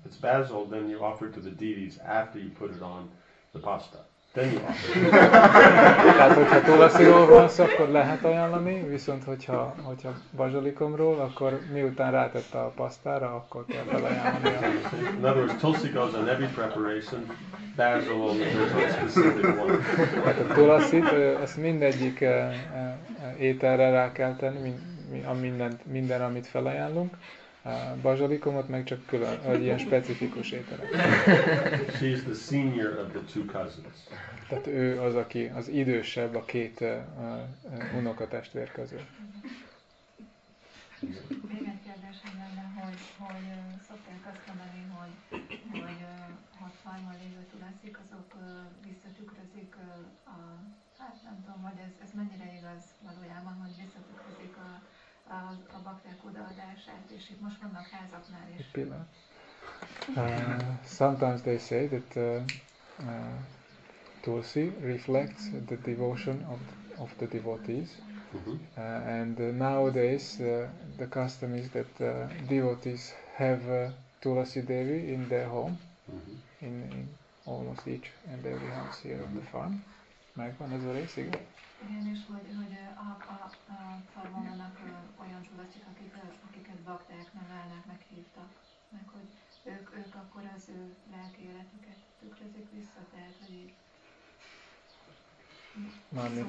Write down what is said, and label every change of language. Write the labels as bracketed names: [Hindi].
[English] It's basil, then you offer to the deities after you put it on the pasta. Then you offer. [Hungarian] Tehát, hogyha tulsiról van szó, akkor lehet ajánlani, viszont hogyha bazsalikomról, akkor miután rátette a pasztára, akkor kell belajánlani. [English] In other words, tulsi goes on every preparation, basil only goes on specific one. [Hungarian] Tehát a tulasit, ezt mindegyik ételre rá kell tenni, minden, amit felajánlunk. A bazsalikomot meg csak külön, egy ilyen specifikus étele. [English] She is the senior of the two cousins. [Hungarian] Tehát ő az, aki az idősebb a két unokatestvér közül. Még egy kérdésem lenne, hogy szokták azt mondani, hogy ha farmon lévő tulászik, azok visszatükrözik a... Hát nem tudom, hogy ez mennyire igaz valójában, hogy visszatükrözik a bakták odaadását, és itt most vannak házaknál is. Egy pillanat. [English] Sometimes they say that tulsi reflects the devotion of the devotees. Mm-hmm. And nowadays the custom is that devotees have Tulasi Devi in their home, mm-hmm. in almost each and every house here mm-hmm. on the farm. [Hungarian] Megvan ez a rész, igen? Igen, és hogy a farban vannak olyan tulasik, akiket bakták nevelnek, meghívtak. Meg hogy ők akkor az ő lelki életüket tükrözik vissza, tehát hogy így. Mármint,